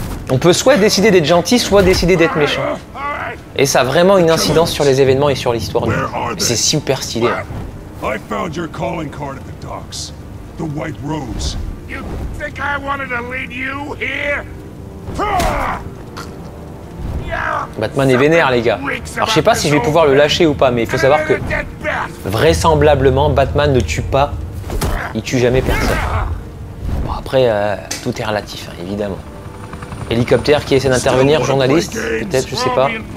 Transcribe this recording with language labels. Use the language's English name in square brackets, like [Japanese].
[French] On peut soit décider d'être gentil, soit décider d'être méchant. Et ça a vraiment une incidence sur les événements et sur l'histoire. C'est super stylé. J'ai trouvé votre carte de call à la docks. La White Rose. [English] You think I wanted to lead you here? [French] Batman est vénère, les gars. Alors, je sais pas si je vais pouvoir le lâcher ou pas, mais il faut savoir que vraisemblablement, Batman ne tue pas. Il tue jamais personne. Bon, après, tout est relatif, hein, évidemment. Hélicoptère qui essaie d'intervenir, journaliste, peut-être, je sais pas.